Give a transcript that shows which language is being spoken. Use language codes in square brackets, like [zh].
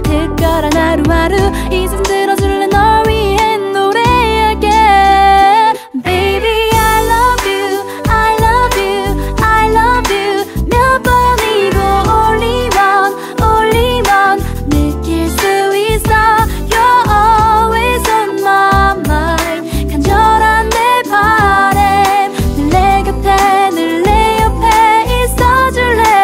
[ko] 특별한 하루하루 이젠 들어줄래 널 위해 노래할게. [en] Baby, I love you, I love you, I love you. [ko] 몇 번이고 [en] only one, only one [ko] 느낄 수 있어. [en] You're always on my mind. [ko] 간절한 내 바람, 늘 내 곁에, 늘 내 옆에 있어줄래.